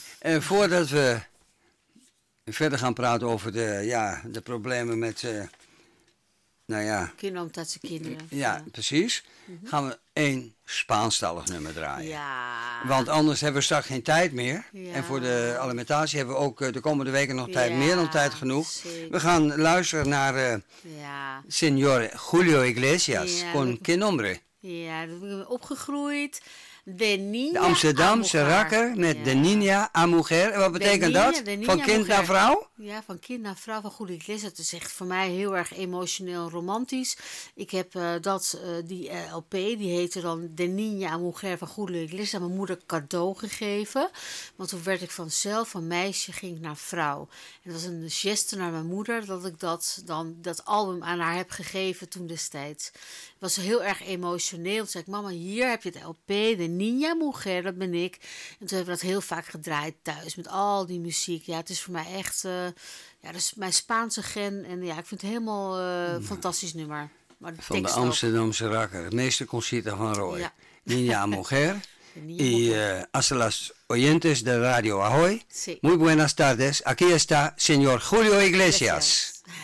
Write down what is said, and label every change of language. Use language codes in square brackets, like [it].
[nl] En voordat we verder gaan praten over de problemen met... Kinderen. Ja, precies. Mm-hmm. Gaan we één Spaanstalig nummer draaien. Ja. Want anders hebben we straks geen tijd meer. Ja. En voor de alimentatie hebben we ook de komende weken nog tijd. Ja, meer dan tijd genoeg. Zeker. We gaan luisteren naar Señor Julio Iglesias, [es] con qué nombre. [nl] Ja, dat ben ik opgegroeid. De Niña. De Amsterdamse rakker met De Niña a Mujer. En wat betekent dat? Van kind naar vrouw? Ja, van kind naar vrouw. Van Julio Iglesias. Dat is echt voor mij heel erg emotioneel romantisch. Ik heb die LP, die heette dan De Niña a Mujer van Julio Iglesias, aan mijn moeder cadeau gegeven. Want toen werd ik vanzelf, van meisje ging ik naar vrouw. En dat was een geste naar mijn moeder, dat ik dat album aan haar heb gegeven toen destijds. Het was heel erg emotioneel. Toen zei ik, mama, hier heb je het LP, De Niña a Mujer, dat ben ik. En toen hebben we dat heel vaak gedraaid thuis, met al die muziek. Ja, het is voor mij echt... dat is mijn Spaanse gen. En ja, ik vind het helemaal fantastisch nummer. Maar van de Amsterdamse rakker. Meester Conchita van Roy. Ja. [es] Niña a Mujer. Y hasta las oyentes de Radio Ahoy. Sí. Muy buenas tardes. Aquí está señor Julio Iglesias.